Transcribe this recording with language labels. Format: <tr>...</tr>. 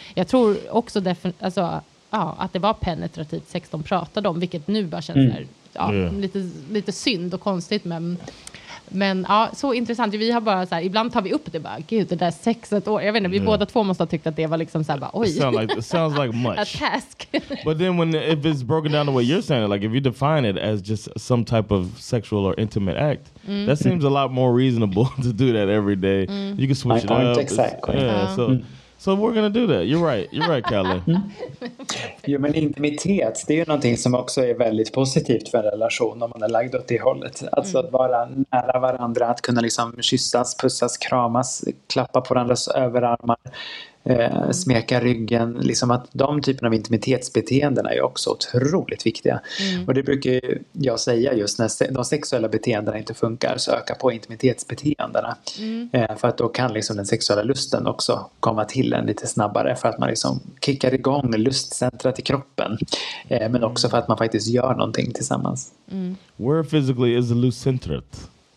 <sv>Jag tror också att det var penetrativt sex de pratade om, vilket nu bara känns lite synd och konstigt. Men ja, så intressant. Vi har bara så här, ibland tar vi upp det bara, gud, det där sexet år. Jag vet inte, vi båda två måste ha tyckt att det var liksom så här, bara, oj.</sv> <en>It sounds like much. A task. But then when if it's broken down to what you're saying, like if you define it as just some type of sexual or intimate act, that seems a lot more reasonable to do that every day. You can switch my it up. Exactly. Yeah, So we're gonna do that. You're right, Kelly.</en> <sv>Jo, men intimitet, det är ju någonting som också är väldigt positivt för en relation om man är lagd åt det hållet. Alltså att vara nära varandra, att kunna liksom kyssas, pussas, kramas, klappa på varandras överarmar, smeka ryggen. Liksom att de typerna av intimitetsbeteenden är ju också otroligt viktiga. Och det brukar jag säga, just när de sexuella beteendena inte funkar, så öka på intimitetsbeteendena. För att då kan liksom den sexuella lusten också komma till en lite snabbare, för att man liksom kickar igång lustcentret i kroppen, men också för att man faktiskt gör någonting tillsammans.</sv> <en>Where physically is the lustcentret?</en>